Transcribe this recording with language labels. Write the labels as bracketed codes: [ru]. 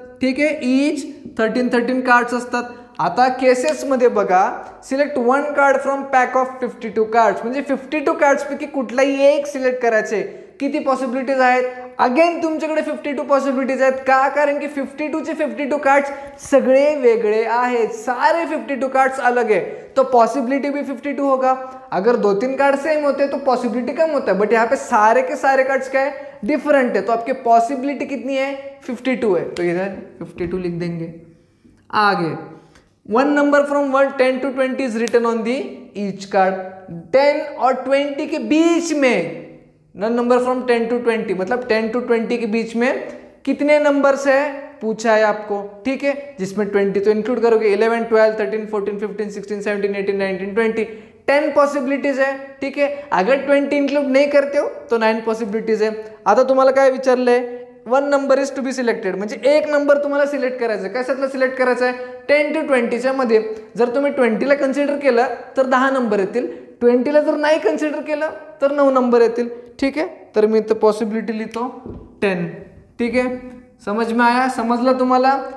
[mr] ठीक आहे, each 13 cards असतात. आता केसेसमध्ये बघा, [en] select 1 card from pack of 52 cards, [mr] म्हणजे 52 कार्ड्सपैकी कुठलाही एक सिलेक्ट करायचे, किती पॉसिबिलिटीज आहेत? अगेन तुमच्याकडे 52 पॉसिबिलिटीज आहेत. का? कारण की 52 कार्ड्स सगळे वेगळे आहेत, सारे 52 कार्ड्स अलग आहे, [hi] तो पॉसिबिलिटी भी 52 होगा. अगर 2-3 कार्ड सेम होते तो पॉसिबिलिटी कम होता है, बट यहाँ पे सारे के सारे कार्ड्स क्या है? डिफरेंट है, तो आपकी पॉसिबिलिटी कितनी है? 52 है. तो इधर 52 लिख देंगे. आगे, [en] 1 number from 1, 10 to 20 is written on the each card. [hi] 10 और 20 के बीच में, नन नंबर फ्रॉम 10 to 20, मतलब 10 to 20 के बीच में कितने नंबर्स है पूछा है आपको. ठीक है, जिसमें 20 तो इंक्लूड करोगे, 11, 12, 13, 14, 15, 16, 17, 18, 19, 20, 10 पॉसिबिलिटीज है. ठीक है, अगर 20 इंक्लूड नहीं करते हो तो 9 पॉसिबिलिटीज है. [mr] आता तुम्हाला काय विचारले? [en] 1 number is to be selected, [mr] म्हणजे एक नंबर तुम्हाला सिलेक्ट करायचा आहे. कशातला सिलेक्ट करायचा आहे? 10 to 20 मध्ये. जर तुम्ही 20 कन्सिडर केलं तर 10 नंबर येतील, 20 जर नाही कन्सिडर केलं तर 9 नंबर येतील. ठीक आहे, तर मी इथं पॉसिबिलिटी लिहितो 10. ठीक आहे, समज मी आया, समजलं तुम्हाला?